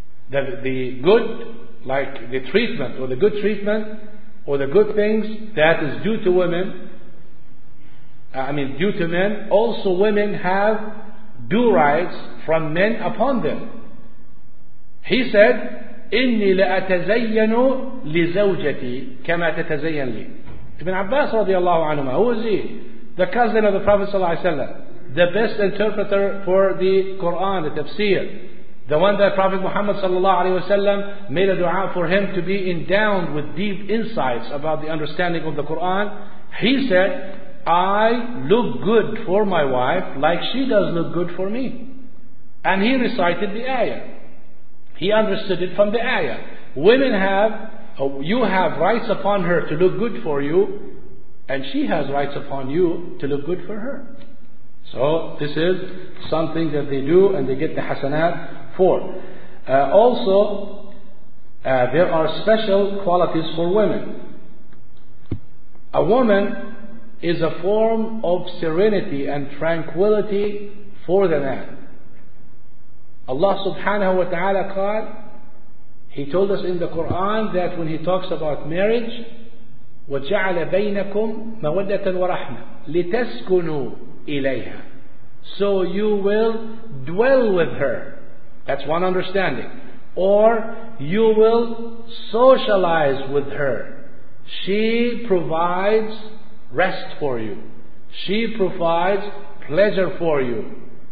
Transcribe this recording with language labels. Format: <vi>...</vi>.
<en>That the good, like the treatment, or the good treatment, or the good things that is due to women, due to men, also women have due rights from men upon them.</en> <ar>He said, إِنِّي لَأَتَزَيَّنُ لِزَوْجَتِي كَمَا تَتَزَيَّنْ لِي.</ar> <en>Ibn Abbas radiallahu anhu, who is he? The cousin of the Prophet sallallahu alaihi wasallam, the best interpreter for the Quran, the tafsir, the one that Prophet Muhammad sallallahu alaihi wasallam made a dua for him to be endowed with deep insights about the understanding of the Quran. He said, I look good for my wife like she does look good for me. And he recited the ayah. He understood it from the ayah. Women have, you have rights upon her to look good for you, and she has rights upon you to look good for her. So this is something that they do and they get the hasanat for. Also, there are special qualities for women. A woman is a form of serenity and tranquility for the man. Allah subhanahu wa ta'ala called, He told us in the Quran that when He talks about marriage,</en> <ar>وجعل بينكم مودة ورحمة لتسكنوا إليها.</ar> <en>So you will dwell with her. That's one understanding. Or you will socialize with her. She provides rest for you. She provides pleasure for you.</en>